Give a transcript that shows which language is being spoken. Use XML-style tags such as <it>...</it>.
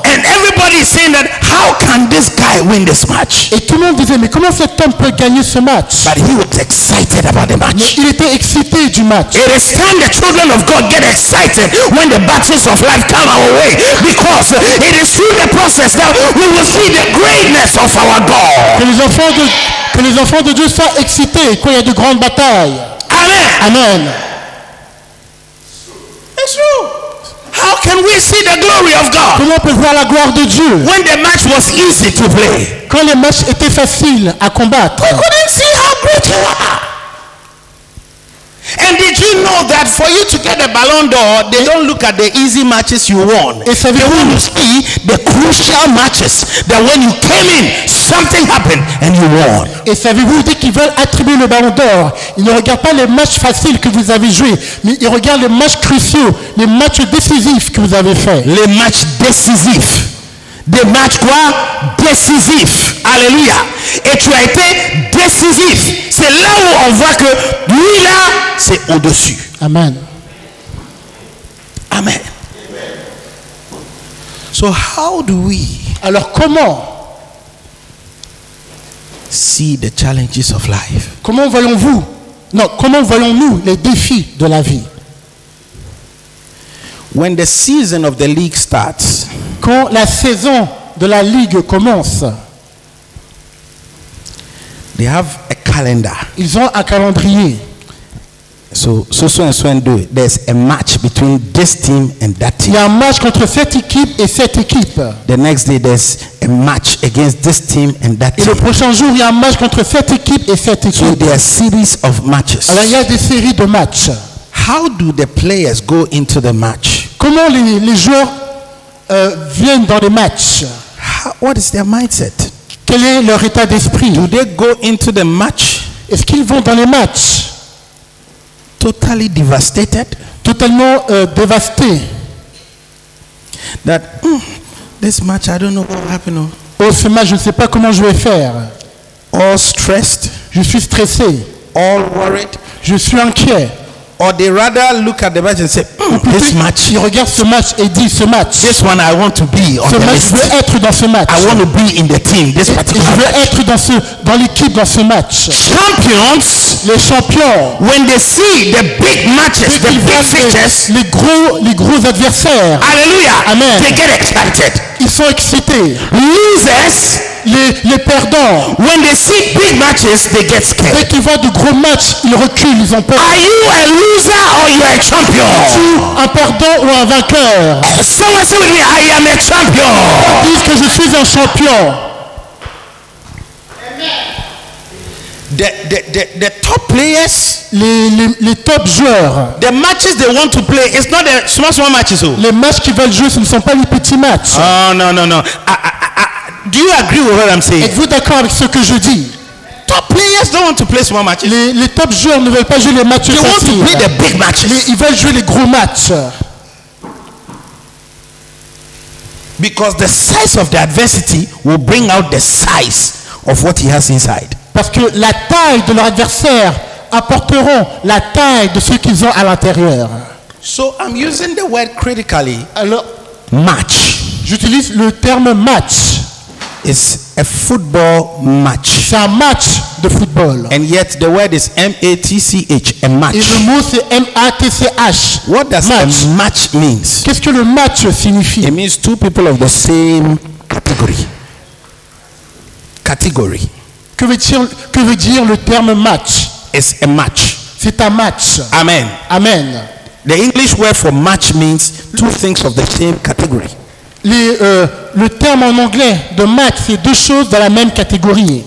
<en>And everybody saying that, how can this guy win this match?</en> <fr>Et tout le monde disait, mais comment cet homme peut gagner ce match?</fr> <en>But he was excited about the match.</en> <fr>Mais il était excité du match.</fr> <en>It is time the children of God get excited when the battles of life come our way, because it is through the process that we will see the greatness of our God.</en> <fr>Que les enfants de Dieu soient excités quand il y a de grandes batailles. Amen. Amen.</fr> <en>It's true. How can we see the glory of God?</en> <fr>Comment on peut voir la gloire de Dieu?</fr> <en>When the match was easy to play.</en> <fr>Quand le match était facile à combattre.</fr> <en>We couldn't see how great you are. And did you know that for you to get a Ballon d'Or, they don't look at the easy matches you won. They want to see the crucial matches that when you came in, something happened and you won.</en> <fr>Et savez-vous, dès qu'ils veulent attribuer le Ballon d'Or, ils ne regardent pas les matchs faciles que vous avez joués, mais ils regardent les matchs cruciaux, les matchs décisifs que vous avez faits. Les matchs décisifs. Des matchs quoi? Décisifs. Alléluia. Et tu as été décisif. C'est là où on voit que lui là, c'est au-dessus. Amen. Amen.</fr> <en>So how do we?</en> <fr>Alors comment?</fr> <en>See the challenges of life.</en> <fr>Comment voyons-vous? Non, comment voyons-nous les défis de la vie?</fr> <en>When the season of the league starts.</en> <fr>Quand la saison de la ligue commence.</fr> <en>They have a calendar.</en> <fr>Ils ont un calendrier.</fr> <en>So there's a match between this team and that team.</en> <fr>Il y a un match contre cette équipe et cette équipe.</fr> <en>The next day there's a match against this team and that</en> <fr>et</fr> <en>team.</en> <fr>Et le prochain jour, il y a un match contre cette équipe et cette équipe.</fr> <en>So there are series of matches.</en> <fr>Alors il y a des séries de matchs.</fr> <en>How do the players go into the match?</en> <fr>Comment les joueurs viennent dans les matchs?</fr> <en>What is their mindset?</en> <fr>Quel est leur état d'esprit?</fr> <en>Do they go into the match?</en> <fr>Est-ce qu'ils vont dans les matchs?</fr> <en>Totally devastated.</en> <fr>Totalement dévasté.</fr> <en>That this match, I don't know what happened.</en> <fr>Oh, ce match, je ne sais pas comment je vais faire.</fr> <en>All stressed.</en> <fr>Je suis stressé.</fr> <en>All worried.</en> <fr>Je suis inquiet.</fr> <en>Or they rather look at the match and say, this match.</en> <fr>Ils regardent ce match et disent ce match.</fr> <en>This one I want to be on</en> <fr>ce</fr> <en>match,</en> <fr>Je veux être dans ce match.</fr> <en>I want to be in the team. This</en> <fr>et,</fr> <en>particular.</en> <fr>Et je veux Être dans ce dans l'équipe dans ce match.</fr> <en>Champions.</en> <fr>Les champions.</fr> <en>When they see the big matches, the big fixtures.</en> <fr>Les gros adversaires. Alléluia. Amen.</fr> <en>They get excited.</en> <fr>Ils sont excités.</fr> <en>Losers.</en> <fr>Les perdants.</fr> <en>When they see big matches, they get scared.</en> <fr>Dès qu'ils voient de gros matchs, ils reculent, ils ont peur.</fr> <en>Are you a loser or you are a champion?</en> <fr>Tu un perdant ou un vainqueur?</fr> <en>Someone say with me, I am a champion.</en> <fr>Dis que je suis un champion.</fr> <en>The top players,</en> <fr>les top joueurs.</fr> <en>The matches they want to play, it's not the small matches. Oh.</en> <fr>Les matchs qu'ils veulent jouer, ce ne sont pas les petits matchs. Oh non non non.</fr> <en>Do you agree with what I'm saying?</en> <fr>Êtes-vous d'accord avec ce que je dis?</fr> <en>Top players don't want to play small matches.</en> <fr>Les top joueurs ne veulent pas jouer les matchs</fr> <en>they</en> <fr>faciles.</fr> <en>They want to play the big matches.</en> <fr>Ils veulent jouer les gros matchs.</fr> <en>Because the size of the adversity will bring out the size of what he has inside.</en> <fr>Parce que la taille de leur adversaire apporteront la taille de ce qu'ils ont à l'intérieur.</fr> <en>So I'm using the word critically.</en> <fr>Alors,</fr> <en>match.</en> <fr>J'utilise le terme match.</fr> <en>It's a football match.</en> <fr>C'est un match de football.</fr> <en>And yet the word is M-A-T-C-H, a match.</en> <fr>Et le mot c'est M-A-T-C-H.</fr> <en>What does match. A match means?</en> <fr>Qu'est-ce que le match signifie?</fr> <en>It means two people of the same category. Category.</en> <fr>Que veut dire le terme match?</fr> <en>It's a match.</en> <fr>C'est un match. Amen. Amen.</fr> <en>The English word for match means two things of the same category.</en> <fr>Le terme en anglais de match, c'est deux choses dans la même catégorie.</fr>